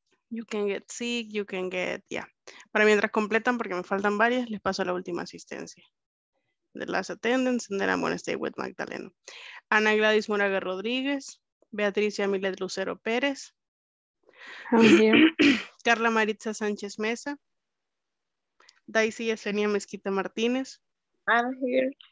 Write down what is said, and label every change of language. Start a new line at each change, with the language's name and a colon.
English: You can get sick, you can get, yeah.
Spanish: Para mientras completan, porque me faltan varias, les paso la última asistencia.
English: The last attendance, and then I'm going to stay with Magdalena.
Spanish: Ana Gladys Moraga Rodríguez, Beatriz Yamilet Lucero Pérez.
English: I'm here.
Spanish: Carla Maritza Sánchez Mesa. Daisy Yesenia Mezquita Martínez.
English: I'm here.